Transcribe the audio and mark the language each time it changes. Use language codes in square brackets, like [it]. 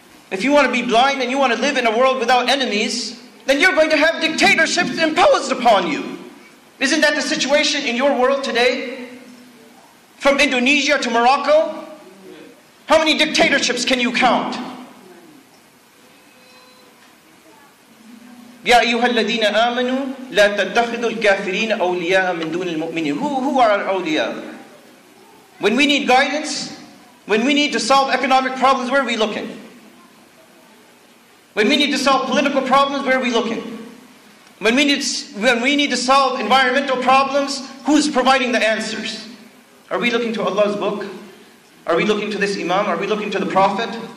[en] If you want to be blind and you want to live in a world without enemies, then you're going to have dictatorships imposed upon you. Isn't that the situation in your world today? From Indonesia to Morocco? How many dictatorships can you count? [ar] يَا أَيُّهَا الَّذِينَ آمَنُوا لَا تَتَّخِذُوا الْكَافِرِينَ أَوْلِيَاءَ مِنْ دُونِ الْمُؤْمِنِينَ [en] Who are our awliya? When we need guidance, when we need to solve economic problems, where are we looking? When we need to solve political problems, where are we looking? When we need to solve environmental problems, who's providing the answers? Are we looking to Allah's book? Are we looking to this Imam? Are we looking to the Prophet?